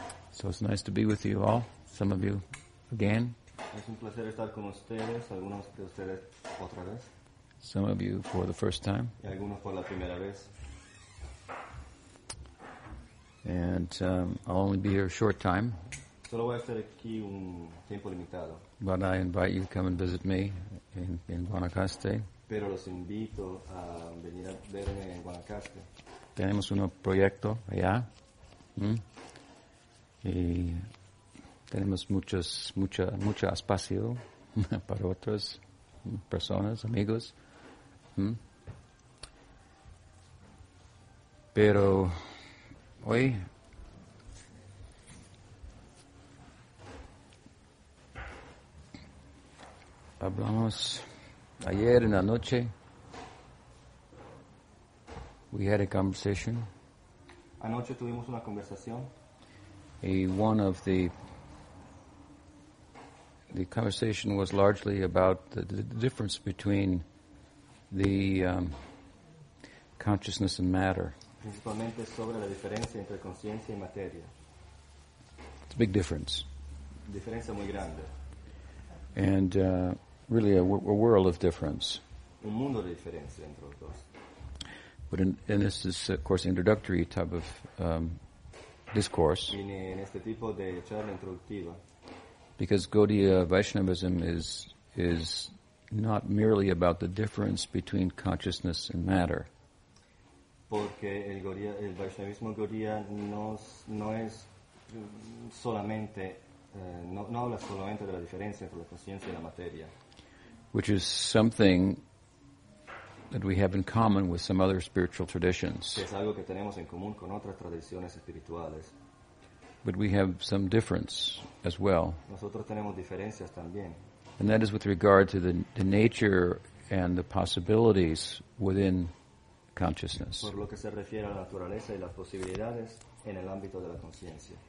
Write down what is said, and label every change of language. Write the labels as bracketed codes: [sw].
[en] So it's nice to be with you all, some of you again. [es] Es un placer estar con ustedes, algunos de ustedes otra vez. [en] Some of you for the first time. [es] Y algunos por la primera vez. [en] And I'll only be here a short time. [es] Solo voy a estar aquí un tiempo limitado. [en] But I invite you to come and visit me in Guanacaste. [es] Pero los invito a venir a verme en Guanacaste. Tenemos un proyecto allá. Y tenemos mucho espacio para otras personas, amigos. Pero hoy hablamos. Ayer en la noche, [en] we had a conversation. [es] Anoche tuvimos una conversación. [en] Y one of the conversation was largely about the difference between the consciousness and matter. [es] Principalmente sobre la diferencia entre conciencia y materia. [en] It's a big difference. [es] Diferencia muy grande. [en] And really a world of difference. [es] Un mundo de diferencia entre los dos. [en] But and this is, of course, introductory type of discourse. [es] En este tipo de charla introductiva. [en] Because Gaudiya Vaishnavism is not merely about the difference between consciousness and matter. [es] Porque el Vaishnavismo Gaudiya no habla solamente de la diferencia entre la conciencia y la materia. [en] Which is something that we have in common with some other spiritual traditions. [es] Es algo que tenemos en común con otras tradiciones espirituales. [en] But we have some difference as well. [es] Nosotros tenemos diferencias también. [en] And that is with regard to the nature and the possibilities within consciousness. [es] Por lo que se refiere a la naturaleza y las posibilidades en el ámbito de la conciencia.